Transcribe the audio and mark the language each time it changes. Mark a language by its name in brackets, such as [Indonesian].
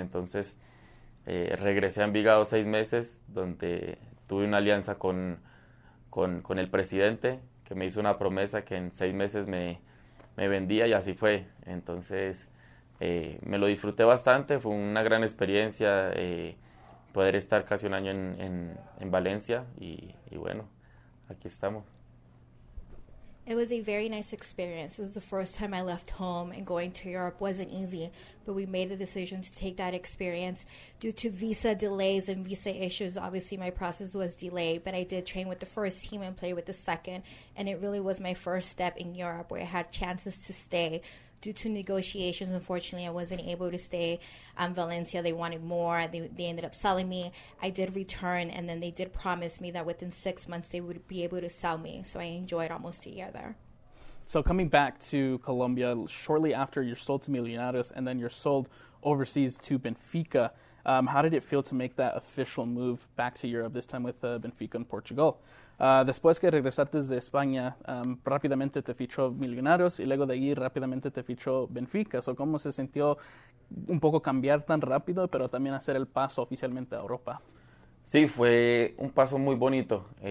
[Spanish] Entonces regresé a Envigado 6 meses, donde tuve una alianza con el presidente, que me hizo una promesa que en 6 meses me vendía, y así fue. Entonces me lo disfruté bastante, fue una gran experiencia poder estar casi un año en Valencia, y bueno, aquí estamos. [English] It was a very nice experience. It was the first time I left home, and going to Europe wasn't easy, but we made the decision to take that experience. Due to visa delays and visa issues, obviously my process was delayed, but I did train with the first team and play with the second, and it really was my first step in Europe where I had chances to stay. Due to negotiations, unfortunately, I wasn't able to stay in Valencia. They wanted more. They ended up selling me. I did return, and then they did promise me that within 6 months they would be able to sell me. So I enjoyed almost a year there. So coming back to Colombia, shortly after you're sold to Millonarios and then you're sold overseas to Benfica, how did it feel to make that official move back to Europe, this time with Benfica in Portugal? [Spanish] Después que regresaste de España, rápidamente te fichó Millonarios y luego de ahí rápidamente te fichó Benfica. So, ¿cómo se sintió un poco cambiar tan rápido, pero también hacer el paso oficialmente a Europa? Sí, fue un paso muy bonito.